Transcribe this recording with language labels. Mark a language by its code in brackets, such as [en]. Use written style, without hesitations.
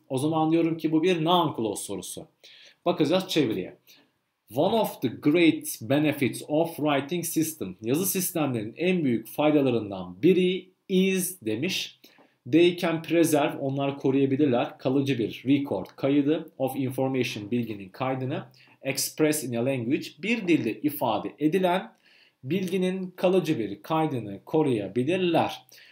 [tr] O zaman diyorum ki bu bir noun clause sorusu. Bakacağız çeviriye. [en] One of the great benefits of writing system. [tr] Yazı sistemlerinin en büyük faydalarından biri is demiş. [en] They can preserve. [tr] Onlar koruyabilirler. Kalıcı bir record, kaydı. [en] Of information, [tr] bilginin kaydını. [en] Express in a language. [tr] Bir dilde ifade edilen bilginin kalıcı bir kaydını koruyabilirler.